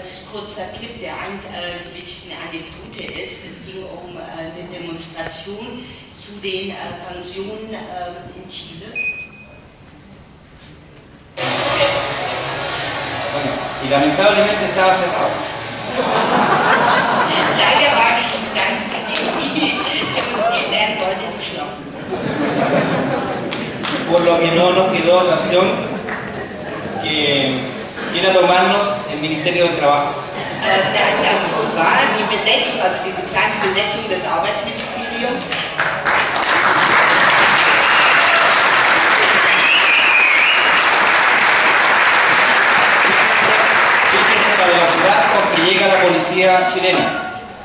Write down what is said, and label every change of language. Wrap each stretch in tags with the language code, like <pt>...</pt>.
<de>Kurzer Clip, der eigentlich eine Anekdote ist. Es ging um eine Demonstration zu den Pensionen in Chile.</de> <es>Y lamentablemente estaba cerrado.</es> <de>Leider war die Instanz, die demonstrieren sollte, geschlossen.</de> <es>Por lo que no nos quedó otra opción que ir a tomarnos el Ministerio del Trabajo. La acción</es> <de>war die Besetzung, also die geplante Besetzung des Arbeitsministeriums.</de> <es>Fíjense la velocidad con que llega la policía chilena.</es>